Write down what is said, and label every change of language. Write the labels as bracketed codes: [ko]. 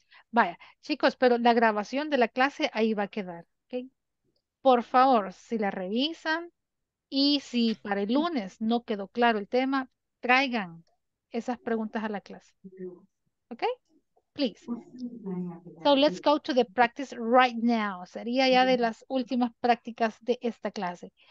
[es] Vaya, chicos, pero la grabación de la clase ahí va a quedar, ¿ok? Por favor, si la revisan y si para el lunes no quedó claro el tema, traigan esas preguntas a la clase, ¿ok? [en] Please. So let's go to the practice right now. [es] Sería ya de las últimas prácticas de esta clase.